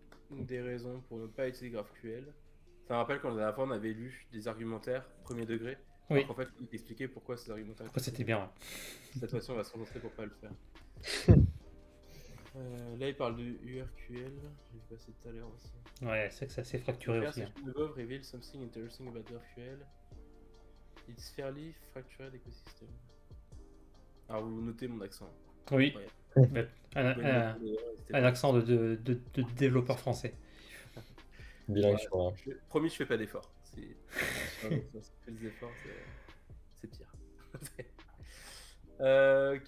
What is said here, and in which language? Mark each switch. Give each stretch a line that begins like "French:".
French: Des raisons pour ne pas utiliser GraphQL. Ça me rappelle quand la dernière fois on avait lu des argumentaires premier degré. Oui. En fait, il expliquait pourquoi ces argumentaires. Pourquoi c'était bien. Cette fois-ci, on va se concentrer pour pas le faire. Là, il parle de URQL. J'ai passé tout à l'heure aussi. Ouais, c'est que ça s'est fracturé aussi.
English: Le Bob reveal something interesting about URQL. It's fairly fractured ecosystem.
French: Alors, vous notez mon accent. Oui. Ouais. Un accent de développeur français. Bilingue, voilà. Je crois. Promis, je fais pas d'efforts. Si je fais des efforts, c'est pire. ok.